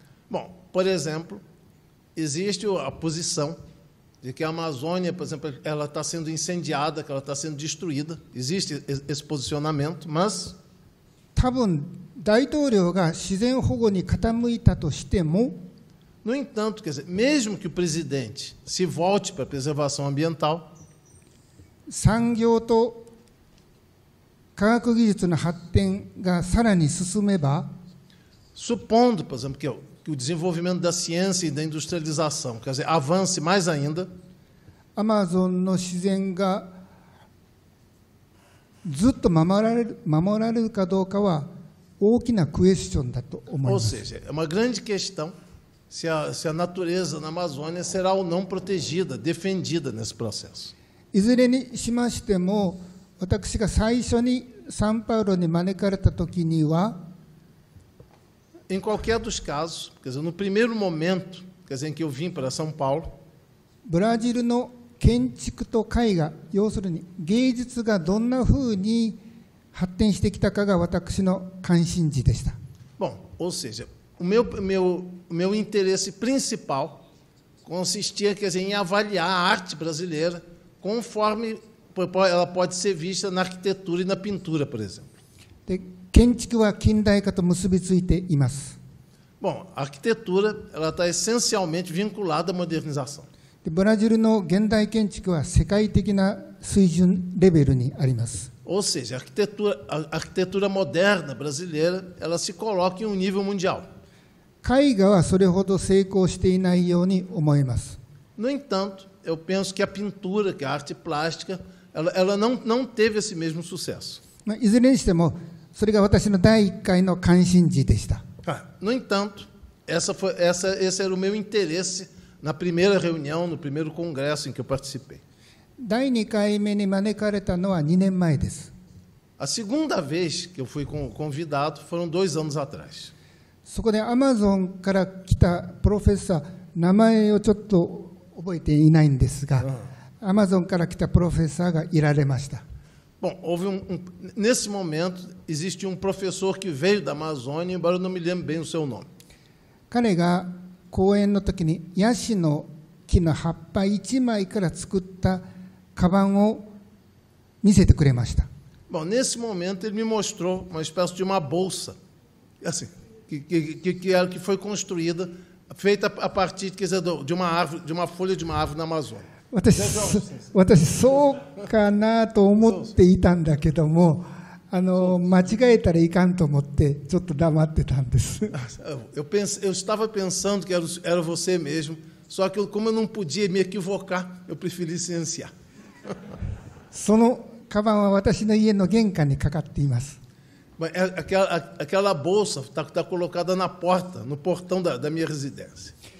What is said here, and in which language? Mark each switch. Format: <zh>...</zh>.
<pt>Bom, por exemplo, existe a posição de que a Amazônia, por exemplo, ela está sendo incendiada, que ela está sendo destruída. Existe esse posicionamento, mas...</pt> <ja>多分、大統領が自然保護に傾いたとしても、</ja> <pt>No entanto, quer dizer, mesmo que o presidente se volte para a preservação ambiental,</pt> <ja>産業と科学技術の発展がさらに進めば、</ja> <pt>supondo, por exemplo, que o desenvolvimento da ciência e da industrialização, quer dizer, avance mais ainda,</pt> <ja>アマゾンの自然がずっと守られるかどうかは大きなクエスチョンだと思います。</ja> <pt>Ou seja, é uma grande questão se a natureza na Amazônia será ou não protegida, defendida nesse processo.</pt> <ja>いずれにしましても、私が最初にサンパウロに招かれた時には、</ja> <pt>Em qualquer dos casos, quer dizer, no primeiro momento, quer dizer, em que eu vim para São Paulo,</pt> <ja>ブラジルの建築と絵画、要するに芸術がどんなふうに発展してきたかが私の関心事でした。</ja> <pt>Bom, ou seja, o meu interesse principal consistia, quer dizer, em avaliar a arte brasileira conforme ela pode ser vista na arquitetura e na pintura, por exemplo.</pt> <ja>De, 建築は近代化と結びついています。</ja> <pt>Bom, a arquitetura ela está essencialmente vinculada à modernização.</pt> <ja>De, ブラジルの現代建築は世界的な水準レベルにあります。</ja> <pt>Ou seja, a arquitetura moderna brasileira ela se coloca em um nível mundial.</pt> <ja>絵画はそれほど成功していないように思います。</ja> <pt>No entanto, eu penso que a pintura, que a arte plástica, ela não teve esse mesmo sucesso. Mas,</pt> <ja>いずれにしても、それが私の第一回の関心事でした。</ja> <pt>No entanto, esse era o meu interesse na primeira reunião, no primeiro congresso em que eu participei.</pt> <ja>第二回目に招かれたのは2年前です。</ja> <pt>A segunda vez que eu fui convidado foram dois anos atrás.</pt> <ja>そこでアマゾンから来たプロフェッサー、名前をちょっと覚えていないんですが、アマゾンから来たプロフェッサーがいられました。</ja> <pt>Bom, houve nesse momento, existe professor que veio da Amazônia, embora eu não me lembre bem o seu nome.</pt> <ja>彼が講演の時に、ヤシの木の葉っぱ一枚から作ったカバンを見せてくれました。</ja> <pt>Bom, nesse momento, ele me mostrou uma espécie de uma bolsa. Assim. Que foi construída, feita a partir, quer dizer, de uma árvore, de uma folha de uma árvore na Amazônia. Eu acho que sou cana,</pt> <ja>と思っていたんだけども、間違えたらいかんと思って、ちょっと黙ってたんです。</ja> <pt>Eu estava pensando que era você mesmo, só que como eu não podia me equivocar, eu preferi silenciar.</pt> <ja>そのカバンは私の家の玄関にかかっています。</ja> <pt>Aquela bolsa está colocada na porta, no portão da minha residência.</pt>